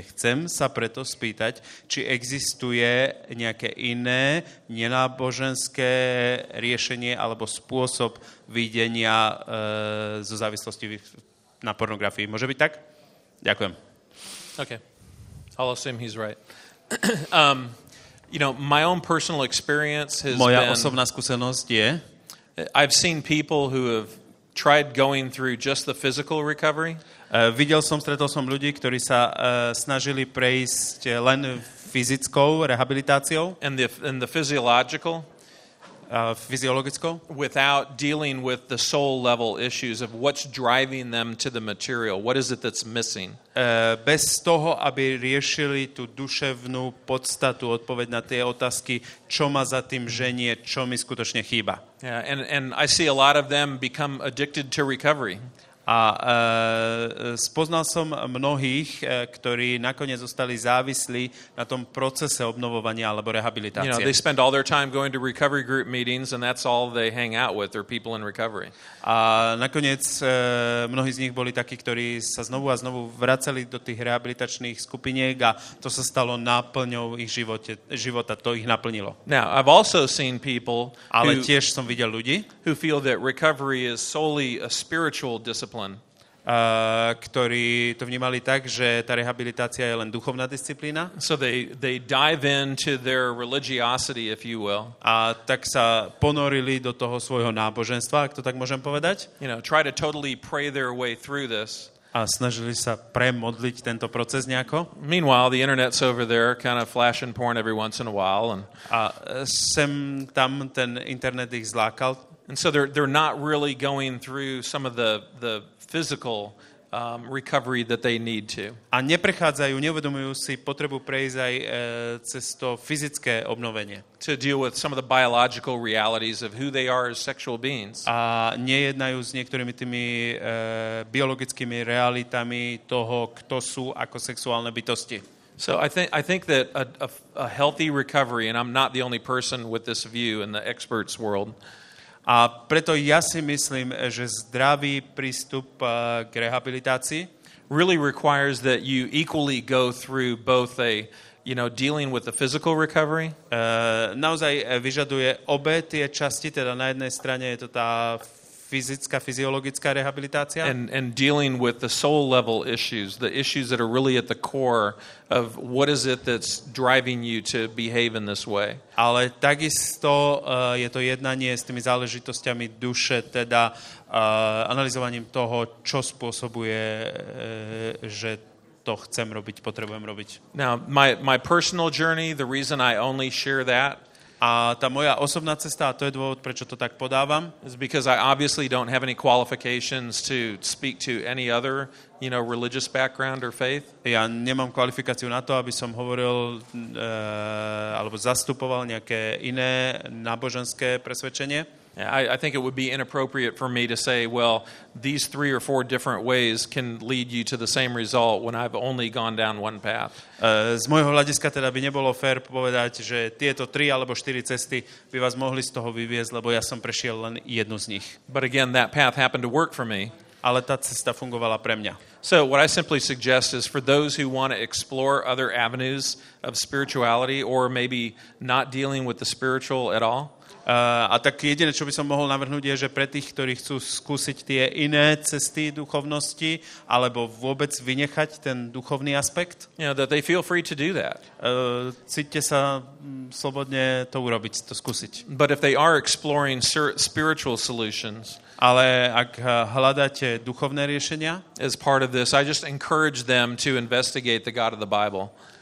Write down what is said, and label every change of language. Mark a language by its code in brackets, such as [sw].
[sk] Chcem sa preto spýtať, či existuje nejaké iné nenáboženské riešenie alebo spôsob videnia zo závislosti na pornografii. Môže byť tak? Ďakujem. [en] Okay. I'll assume he's right. my own personal experience has [sk] moja [en] been... [sk] Moja osobná skúsenosť je... [en] I've seen people who have tried going through just the physical recovery. [sk] Videl som, stretol som ľudí, ktorí sa snažili prejsť len fyzickou rehabilitáciou. [en] And the physiological. [sk] Fyziologickou. [en] Without dealing with the soul level issues of what's driving them to the material. What is it that's missing? [sk] Bez toho, aby riešili tú duševnú podstatu, odpoveď na tie otázky, čo ma za tým ženie, čo mi skutočne chýba. [en] Yeah, and I see a lot of them become addicted to recovery. [sk] A spoznal som mnohých, ktorí nakoniec zostali závislí na tom procese obnovovania alebo rehabilitácie. [en] You know, they spend all their time going to recovery group meetings and that's all they hang out with are people in recovery. [sk] A nakoniec mnohí z nich boli takí, ktorí sa znovu a znovu vracali do tých rehabilitačných skupiniek a to sa stalo náplňou ich života, to ich naplnilo. [en] Now, I've also seen people [sk] ale tiež som videl ľudí, [en] who feel that recovery is solely a spiritual discipline. [sk] Ktorí to vnímali tak, že tá rehabilitácia je len duchovná disciplína. [en] So they dive into their religiosity, if you will. [sk] A tak sa ponorili do toho svojho náboženstva, ak to tak môžem povedať. [en] You know, try to totally pray their way through this. [sk] A snažili sa premodliť tento proces nejako. [en] Meanwhile, the internet's over there kind of flashing porn every once in a while. And... [sk] A sem tam ten internet ich zlákal. [en] And so they're not really going through some of the physical recovery that they need to. [sk] A neprechádzajú, neuvedomujú si potrebu prejsť aj cez to fyzické obnovenie. [en] To deal with some of the biological realities of who they are as sexual beings. [sk] A nejednajú s niektorými tými biologickými realitami toho, kto sú ako sexuálne bytosti. [en] So I think that a healthy recovery, and I'm not the only person with this view in the experts world. [sk] A preto ja si myslím, že zdravý prístup k rehabilitácii [en] really requires that you equally go through both a you know, dealing with the physical recovery. [sk] Naozaj vyžaduje obe tie časti, teda na jednej strane je to tá fyzická, fyziologická rehabilitácia. [en] And dealing with the soul level issues, the issues that are really at the core of what is it that's driving you to behave in this way. [sk] Ale takisto je to jednanie s tými záležitosťami duše, teda analyzovaním toho, čo spôsobuje, že to chcem robiť, potrebujem robiť. [en] Now, my personal journey, the reason I only share that, [sk] a tá moja osobná cesta, a to je dôvod, prečo to tak podávam, [en] is because I obviously don't have any qualifications to speak to any other, you know, religious background or faith. [sk] Ja nemám kvalifikáciu na to, aby som hovoril alebo zastupoval nejaké iné náboženské presvedčenie. [en] I think it would be inappropriate for me to say, well, these three or four different ways can lead you to the same result when I've only gone down one path. [sk] Z môjho hľadiska teda by nebolo fér povedať, že tieto tri alebo štyri cesty by vás mohli z toho vyviesť, lebo ja som prešiel len jednu z nich. [en] But again, that path happened to work for me. [sk] Ale tá cesta fungovala pre mňa. [en] So what I simply suggest is for those who want to explore other avenues of spirituality or maybe not dealing with the spiritual at all, [sk] A tak jediné, čo by som mohol navrhnúť, je, že pre tých, ktorí chcú skúsiť tie iné cesty duchovnosti alebo vôbec vynechať ten duchovný aspekt, [en] you know, that they feel free to do that. [sk] Cítite sa slobodne to urobiť, to skúsiť. [en] But if they are exploring spiritual solutions, [sk] ale ak hľadáte duchovné riešenia, [en] as part of this, I just encourage them to investigate the God of the Bible.